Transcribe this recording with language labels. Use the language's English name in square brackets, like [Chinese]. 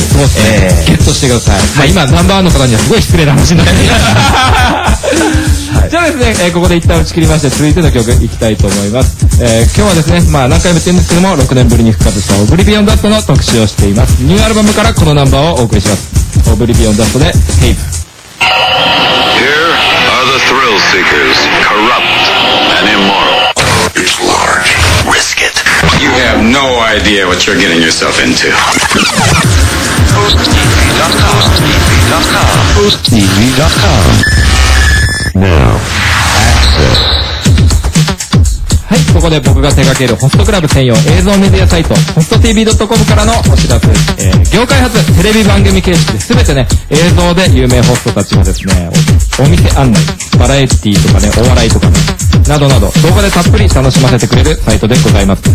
[Japanese] そうですね、ゲットしてください、はい、まあ、今ナンバーワンの方にはすごい失礼な話になりますじゃあですね、ここで一旦打ち切りまして続いての曲いきたいと思います、今日はですね、まあ何回も言ってるんですけども、6年ぶりに復活したオブリビオンダストの特集をしています。ニューアルバムからこのナンバーをお送りします。オブリビオンダストで Hate。 [English] Here are the thrill seekers, corrupt and immoral. It's large, risk it. You have no idea what you're getting yourself into. PostTV.com Now. [Japanese] はい、ここで僕が手掛けるホストクラブ専用映像メディアサイト hosttv.com からのお知らせ、業界初テレビ番組形式で全てね映像で有名ホストたちがですね お店案内、バラエティとかね、お笑いとかね、などなど動画でたっぷり楽しませてくれるサイトでございます。